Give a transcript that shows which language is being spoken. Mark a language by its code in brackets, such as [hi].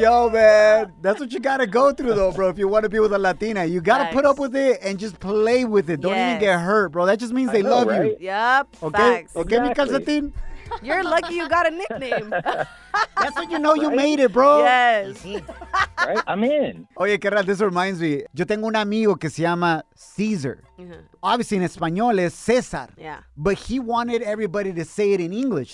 [en] Yo, man, that's what you got to go through, though, bro, if you want to be with a Latina. You got to put up with it and just play with it. Don't even get hurt, bro. That just means they love you. Yep, okay? Facts. Okay, exactly. Me Calcetín. You're lucky you got a nickname. That's when you know you made it, bro. Yes. Right? I'm in. [es] Oye, carnal, [en] this reminds me. [es] Yo tengo un amigo que se llama Caesar. [en] Mm-hmm. Obviously, in español es César. Yeah. But he wanted everybody to say it in English.